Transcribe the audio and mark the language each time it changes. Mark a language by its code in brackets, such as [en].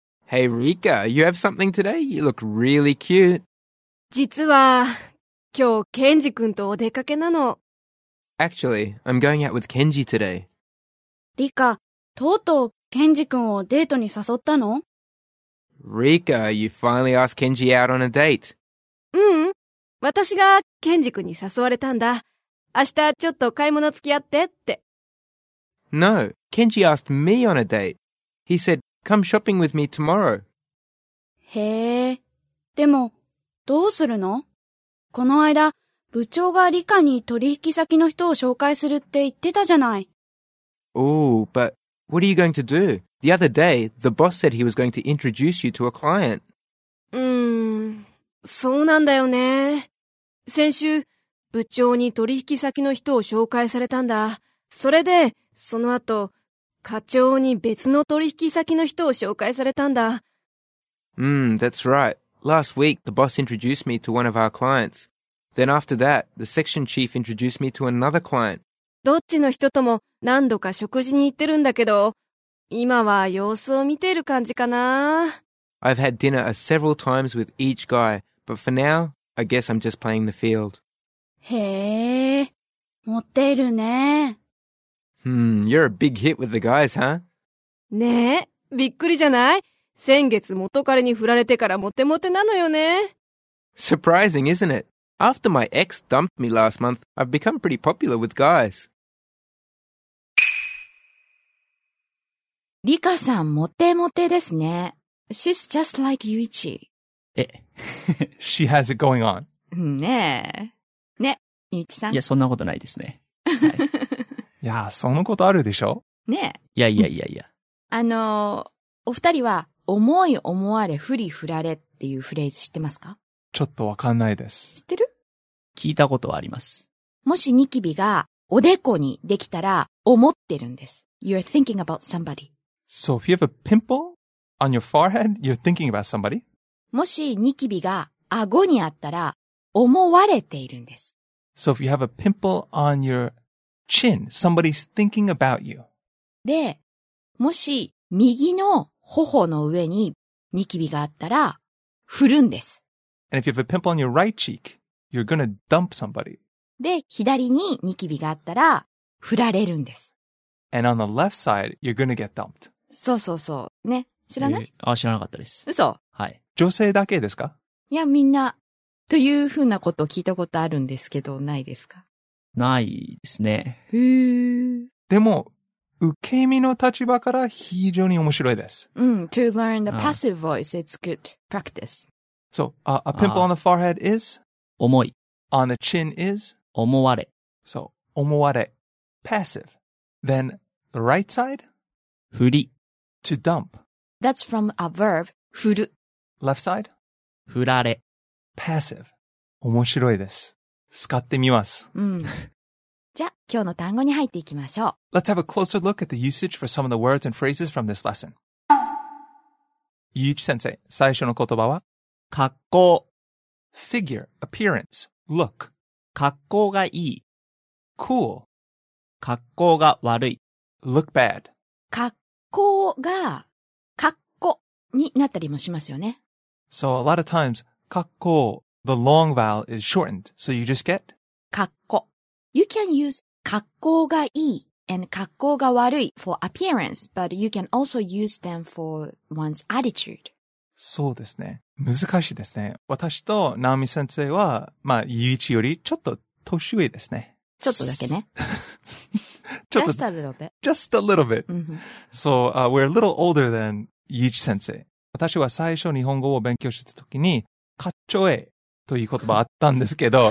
[en] Hey, Rika, you have something today? You look really cute. [ja] 実は、今日ケンジ君とお出かけなの。 [en] Actually, I'm going out with Kenji today. [ja] リカ、とうとうケンジ君をデートに誘ったの？ [en] Rika, you finally asked Kenji out on a date. [ja] うん、私がケンジ君に誘われたんだ。明日ちょっと買い物付き合ってって。 [en] No, Kenji asked me on a date. He said, come shopping with me tomorrow. [ja] へえ、でもどうするの？この間、部長がリカに取引先の人を紹介するって言ってたじゃない。 [en] Oh, but what are you going to do? The other day, the boss said he was going to introduce you to a client. [ja] そうなんだよね。先週、部長に取引先の人を紹介されたんだ。それで、その後、課長に別の取引先の人を紹介されたんだ。 [en] That's right. Last week, the boss introduced me to one of our clients. Then after that, the section chief introduced me to another client. [ja] どっちの人とも何度か食事に行ってるんだけど、今は様子を見ている感じかな。 [en] I've had dinner several times with each guy, but for now, I guess I'm just playing the field. [ja] へえ、モテるね。 [en] You're a big hit with the guys, huh? [ja] ねえ、びっくりじゃない？先月元彼に振られてからモテモテなのよね。 [en] Surprising, isn't it? After my ex dumped me last month, I've become pretty popular with guys. [ja] リカさん、モテモテですね。 [en] She's just like Yuichi. She has it going on. [ja] ねえ。ね、Yuichi さん。いや、そんなことないですね。いや、そのことあるでしょ？ねえ。いやいやいやいや。お二人は、思い思われ、振り振られっていうフレーズ知ってますか？ちょっとわかんないです。知ってる？聞いたことはあります。もしニキビがおでこにできたら、思ってるんです。 [en] You're thinking about somebody. So if you have a pimple on your forehead, you're thinking about somebody? [ja] もしニキビが顎にあったら、思われているんです。 [en] So if you have a pimple on your chin, somebody's thinking about you. [ja] で、もし右の頬の上にニキビがあったら、振るんです。 [en] And if you have a pimple on your right cheek, you're gonna dump somebody. [ja] で、左にニキビがあったら、振られるんです。 [en] And on the left side, you're gonna get dumped. [ja] そうそうそう。ね。知らない？あ、知らなかったです。嘘？はい。女性だけですか？いや、みんな、というふうなことを聞いたことあるんですけど、ないですか？ないですね。へぇー。でも、受け身の立場から非常に面白いです。 [en] To learn the passive voice, it's good practice. So, a pimple on the forehead is? [ja] 重い。 [en] On the chin is? [ja] 思われ。 [en] So, 思われ。Passive. Then, the right side? [ja] 振り。 [en] To dump. That's from a verb, 振る。 Left side? [ja] 振られ。 Passive. 面白いです。使ってみます。じゃあ、今日の単語に入っていきましょう。 [en] Let's have a closer look at the usage for some of the words and phrases from this lesson. [ja] Yuichi先生、最初の言葉は？格好。 [en] Figure, appearance, look. [ja] 格好がいい。 [en] Cool. [ja] 格好が悪い。 [en] Look bad. [ja] 格好が、格好になったりもしますよね。 [en] So a lot of times, 格好、the long vowel is shortened, so you just get? [ja] 格好。 [en] You can use 格好がいい and 格好が悪い for appearance, but you can also use them for one's attitude. [ja] そうですね。難しいですね。私と直美先生は、まあ、ゆういちよりちょっと年上ですね。ちょっとだけね。 [en] just a little bit. Just a little bit. So, we're a little older than ゆういち先生。 [ja] 私は最初日本語を勉強してた時に、かっちょえという言葉あったんですけど。